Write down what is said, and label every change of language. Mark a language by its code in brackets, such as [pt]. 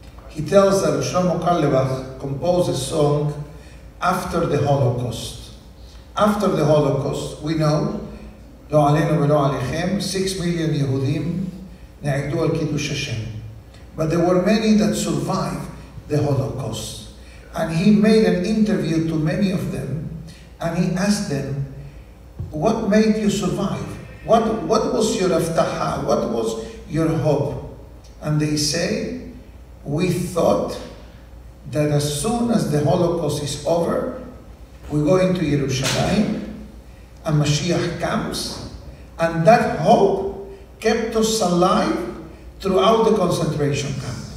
[en] He tells that Shlomo Karlebach composed a song after the Holocaust. After the Holocaust, we know, [he] לא עלינו ולא עליכם, 6 million יהודים נעקדו על קידוש השם. [en] But there were many that survived the Holocaust. And he made an interview to many of them, and he asked them, what made you survive? What was your avtaha? What was your hope? And they say, we thought that as soon as the Holocaust is over, we go into Yerushalayim, and Mashiach comes, and that hope kept us alive throughout the concentration camp.